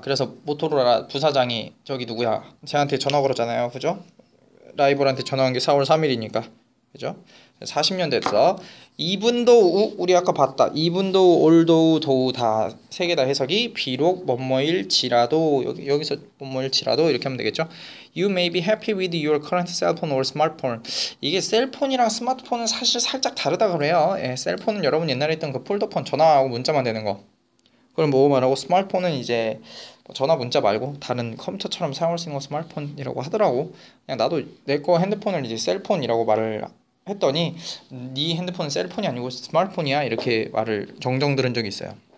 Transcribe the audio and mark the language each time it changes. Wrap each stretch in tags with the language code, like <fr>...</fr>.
<ko>그래서 모토로라 부사장이 저기 누구야? 쟤한테 전화 걸었잖아요. 그죠? 라이벌한테 전화한 게 4월 3일이니까. 그죠? 40년 됐어. 이븐도우 우리 아까 봤다. 이븐도우 올도우 도우 다세개다 해석이 비록 뭐뭐일지라도 여기서 뭐뭐일지라도 이렇게 하면 되겠죠?</ko> <en>You may be happy with your current cellphone or smartphone.</en> <ko>이게 셀폰이랑 스마트폰은 사실 살짝 다르다 그래요. 예, 셀폰은 여러분 옛날에 했던 그 폴더폰 전화하고 문자만 되는 거. 그걸 뭐 말하고 스마트폰은 이제 전화 문자 말고 다른 컴퓨터처럼 사용할 수 있는 스마트폰이라고 하더라고. 그냥 나도 내거 핸드폰을 이제 셀폰이라고 말을 했더니 네 핸드폰은 셀폰이 아니고 스마트폰이야 이렇게 말을 정정 들은 적이 있어요.</ko>